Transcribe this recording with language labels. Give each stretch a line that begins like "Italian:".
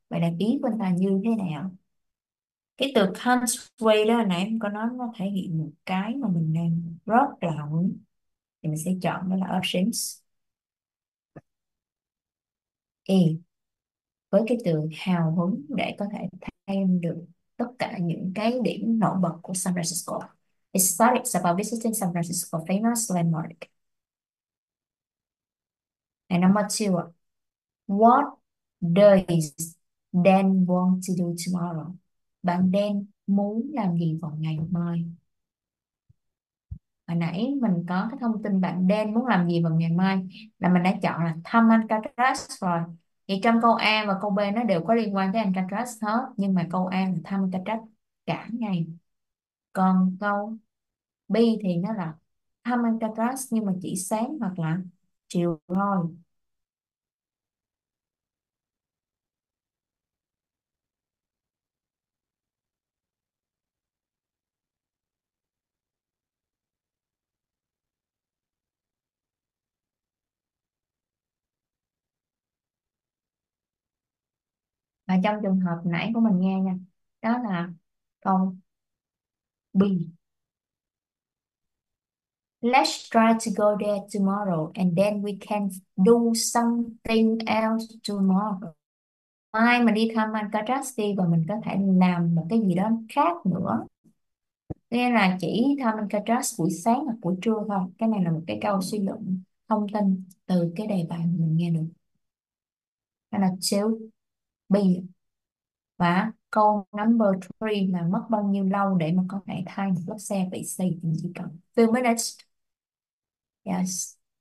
Vietnamese: Vậy là ý của ta như thế nào? Cái từ can't wait đó nãy em có nói nó thể hiện một cái mà mình đang rất là hứng. Thì mình sẽ chọn đó là options. Thì với cái tự hào hứng để có thể thay được tất cả những cái điểm nổi bật của San Francisco.
English: It started about visiting San Francisco famous landmark. And number two, what does Dan want to do tomorrow?
Vietnamese: Bạn Dan muốn làm gì vào ngày mai? Hồi nãy mình có cái thông tin bạn Dan muốn làm gì vào ngày mai là mình đã chọn là thăm Alcatraz rồi. Thì trong câu A và câu B nó đều có liên quan tới Alcatraz hết, nhưng mà câu A là thăm Alcatraz cả ngày. Còn câu B thì nó là thăm Alcatraz nhưng mà chỉ sáng hoặc là chiều thôi. Và trong trường hợp nãy của mình nghe nha, đó là câu B.
English: Let's try to go there tomorrow and then we can do something else tomorrow.
Vietnamese: Mai mà đi thăm Alcatraz đi và mình có thể làm một cái gì đó khác nữa. Nên là chỉ thăm Alcatraz buổi sáng hoặc buổi trưa thôi. Cái này là một cái câu suy luận thông tin từ cái đề bài mình nghe được. Đó là chiếu B. Và câu number 3 là mất bao nhiêu lâu để mà có thể thay một lốp xe bị xì, mình chỉ cần few minutes. Yes.